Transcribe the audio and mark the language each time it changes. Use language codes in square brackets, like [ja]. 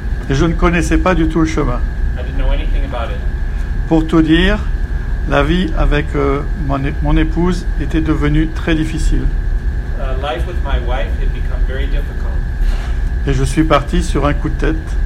[fr] Et je ne connaissais pas du tout le chemin. [en] I didn't know anything about it. [fr] Pour tout dire, la vie avec mon épouse était devenue très difficile. [en] Life with my wife had become very difficult. [fr] Et je suis parti sur un coup de tête.